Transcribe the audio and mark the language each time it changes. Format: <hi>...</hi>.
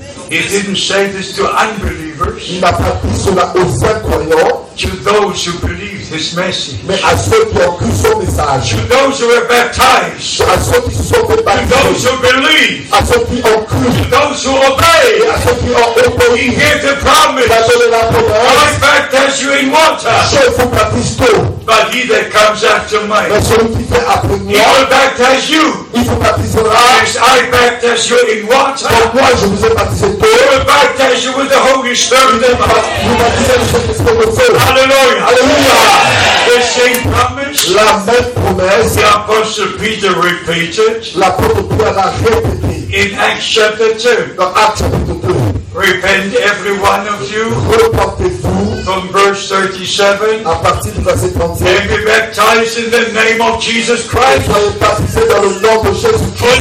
<en>He didn't say this to unbelievers.</en> <fr>Il n'a pas dit cela aux incroyants.</fr> <en>To those who believe his message.</en> <fr>Mais à ceux qui ont cru son message.</fr> <en>To those who are baptized.</en> <fr>À ceux qui se sont fait baptiser.</fr> <en>To those who believe.</en> <fr>À ceux qui ont cru.</fr> <en>To those who obey.</en> <fr>À ceux qui ont obéi.</fr> <en>He hears the promise.</en> <fr>Il a donné la promesse.</fr> <en>I baptize you in water.</en> <fr>Je vous baptise d'eau.</fr> <en>But he that comes after me.</en> <fr>Mais celui qui vient après moi.</fr> <en>He will baptize you.</en> <fr>Il vous baptisera.</fr> <en>Yes, I baptize you in water.</en> <fr>Donc moi, je vous ai baptisé d'eau.</fr> <en>He will baptize you with the Holy Spirit.</en> <fr>Vous baptisez le Saint-Esprit au feu.</fr> <en>Hallelujah!</en> <fr>Hallelujah!</fr> <en>The same promise.</en> <fr>La même promesse.</fr> <en>The Apostle Peter repeated.</en> <fr>L'apôtre Pierre l'a répété.</fr> <en>In Acts chapter 2.</en> <fr>Dans Actes chapitre 2.</fr> <en>Repent every one of you.</en> <fr>Repentez-vous.</fr> <en>From verse 37.</en> <fr>À partir du verset 37.</fr> <en>And be baptized in the name of Jesus Christ.</en> <fr>Soyez baptisés dans le nom de Jésus Christ.</fr>